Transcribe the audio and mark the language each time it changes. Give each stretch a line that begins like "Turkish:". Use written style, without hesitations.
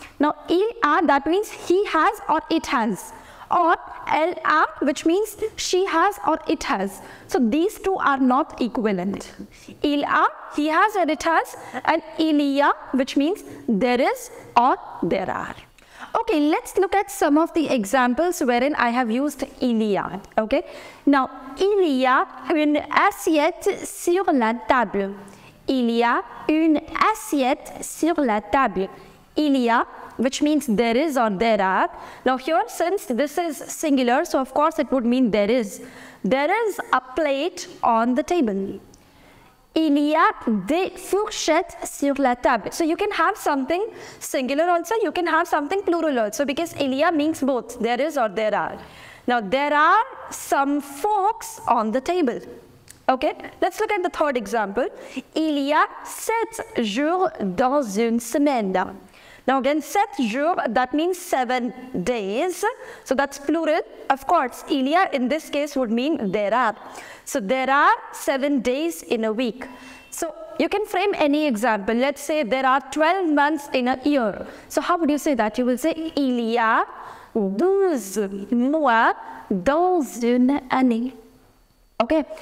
English: Now, il a, that means he has or it has. Or el a, which means she has or it has. So these two are not equivalent. Il a, he has or it has. And il y a, which means there is or there are. Okay, let's look at some of the examples wherein I have used il y a, okay?
French: Now, il y a une assiette sur la table. Il y a une assiette sur la table.
English: Il y a, which means there is or there are. Now here, since this is singular, so of course it would mean there is. There is a plate on the table.
French: Il y a des fourchettes sur la table.
English: So you can have something singular also, you can have something plural also, because il y a means both, there is or there are. Now, there are some forks on the table. Okay, let's look at the third example.
French: Il y a sept jours dans une semaine.
English: Now again, sept jours, that means 7 days. So that's plural. Of course, il y a in this case would mean there are. So there are 7 days in a week. So you can frame any example. Let's say there are 12 months in a year. So how would you say that? You will say
French: il y a 12 mois dans une année. Okay.